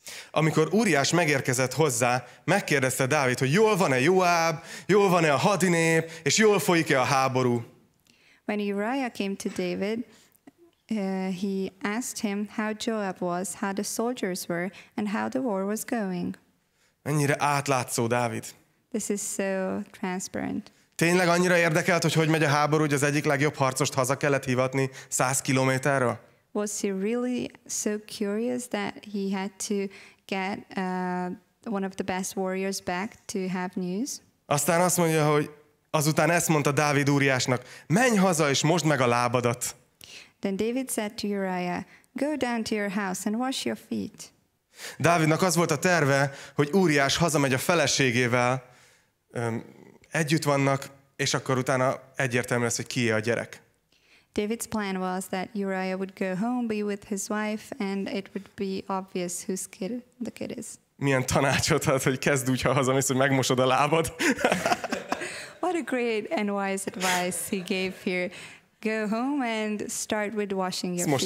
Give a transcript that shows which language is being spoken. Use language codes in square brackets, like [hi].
[hu] Amikor Úriás megérkezett hozzá, megkérdezte Dávid, hogy jól van-e Joab, jól van-e a hadinép, és jól folyik-e a háború. [en] When Uriah came to David, he asked him how Joab was, how the soldiers were, and how the war was going. [hu] Ennyire átlátszó, Dávid. [en] This is so transparent. [hu] Tényleg annyira érdekelt, hogy megy a háború, hogy az egyik legjobb harcost haza kellett hivatni 100 kilométerről? [en] Was he really so curious that he had to get one of the best warriors back to have news? [hu] Aztán azt mondja, hogy Azután ezt mondta Dávid Úriásnak: menj haza és mosd meg a lábadat. [en] Then David said to Uriah, go down to your house and wash your feet. [hu] Dávidnak az volt a terve, hogy Úriás hazamegy a feleségével, együtt vannak, és akkor utána egyértelmű lesz, hogy kié a gyerek. [en] David's plan was that Uriah would go home, be with his wife, and it would be obvious whose kid the kid is. [hu] Milyen tanácsot ad, hogy kezd úgy, ha hazamész, hogy megmosod a lábad. [en] What a great and wise advice he gave here. Go home and start with washing your feet.